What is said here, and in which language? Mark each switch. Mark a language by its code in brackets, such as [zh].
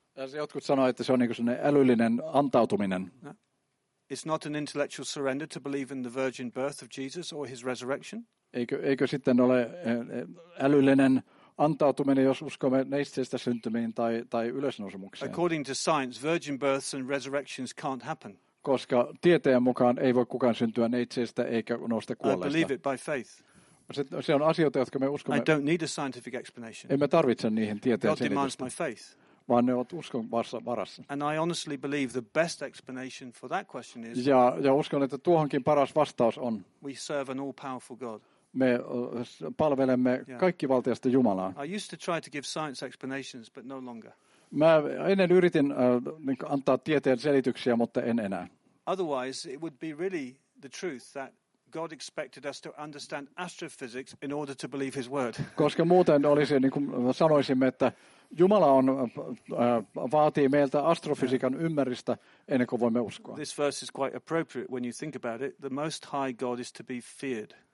[fi] Ja se jotkut sanoo, että se on niin kuin sellainen älyllinen antautuminen. [en] It's not an intellectual surrender to believe in the virgin birth of Jesus or his resurrection. [fi] Eikö sitten ole älyllinen antautuminen, jos uskomme neitsyydestä syntymiin tai ylösnousemukseen. [en] According to science, virgin births and resurrections can't happen. [fi] koska tieteen mukaan ei voi kukaan syntyä neitsestä eikä nousta kuolleesta. [en] I believe it by faith. [fi] Se on asioita, jotka me uskomme. [en] I don't need a scientific explanation. [fi] Emme tarvitse niihin tieteen selitystä. [en] God demands my faith. [fi] Vaan ne ovat uskon varassa. [en] And I honestly believe the best explanation for that question is. [fi] Ja uskon, että tuohonkin paras vastaus on. [en] We serve an all-powerful God. [fi] Me palvelemme kaikki valtiasta Jumalaa. [en] I used to try to give science explanations, but no longer. [fi] Mä ennen yritin antaa tieteen selityksiä, mutta en enää. [en] Otherwise, it would be really the truth that God expected us to understand astrophysics in order to believe His word. [fi] Koska muuten olisi, niin kuin sanoisimme, että Jumala on vaatii meiltä astrofysiikan ymmärrystä ennen kuin voimme uskoa. [en] This verse is quite appropriate when you think about it. The Most High God is to be feared.